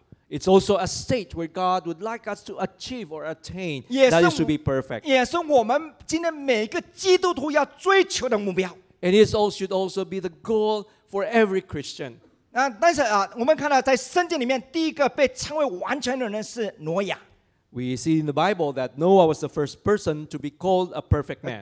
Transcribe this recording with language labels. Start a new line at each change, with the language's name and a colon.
English: It's also a state where God would like us to achieve or attain that is to be perfect.
Chinese: 也是我们今天每个基督徒要追求的目标。
English: And it should also be the goal for every Christian.
Chinese: 但是我们看到在圣经里面第一个被称为完全的人是挪亚。
English: We see in the Bible that Noah was the first person to be called a perfect man.